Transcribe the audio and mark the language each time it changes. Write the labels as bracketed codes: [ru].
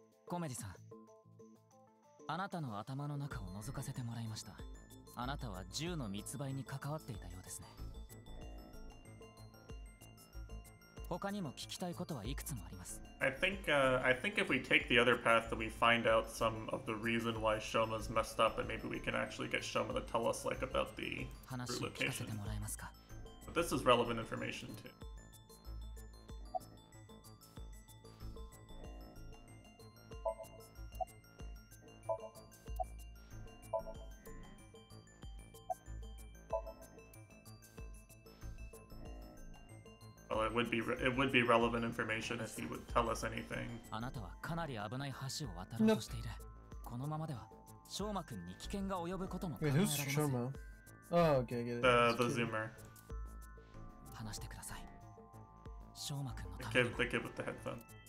[ja] Komeji-san. Anata no atama no naka o nozukasete moraimashita. Anata wa jū no mitsubai ni kakawatteita yō desu ne. 他にも聞きたいことはいくつもあります。 [en] I think if we take the other path, then we find out some of the reason why Shoma's messed up, and maybe we can actually get Shoma to tell us like about the root location. But this is relevant information too. It would be relevant information if he would tell us anything. [ja] あなたはかなり危ない橋を渡ろうとしている。このままでは、ショウマ君に危険が及ぶことも考えられます。 [en] Who's Shoma? Oh, okay, get it. The zoomer. [ja] 話してください。ショウマ君のために。 [en] The kid with the headphone.